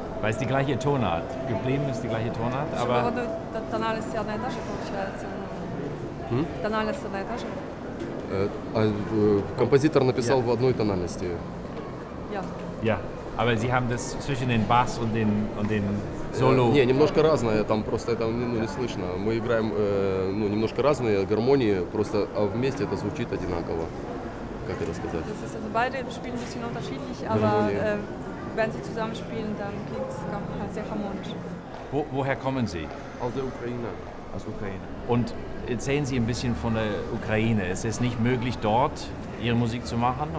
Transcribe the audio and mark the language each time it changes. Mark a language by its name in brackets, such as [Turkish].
[German] Weil es die gleiche Tonart geblieben ist, die gleiche Tonart, aber... Tonalist ist ja eine Tasche, [Russian] получается. Композитор написал в одной тональности. [German] Ja. Aber Sie haben das zwischen den Bass und den Solo... [Russian] Не, немножко разное, там просто это не слышно. Мы играем немножко разные гармонии, просто вместе это звучит одинаково. Как это сказать? [German] Das ist, also beide spielen ein bisschen unterschiedlich, aber wenn sie zusammen spielen, dann klingt es sehr harmonisch. Woher kommen Sie? Aus der Ukraine. Aus Ukraine. Und erzählen Sie ein bisschen von der Ukraine. Ist es nicht möglich, dort Ihre Musik zu machen?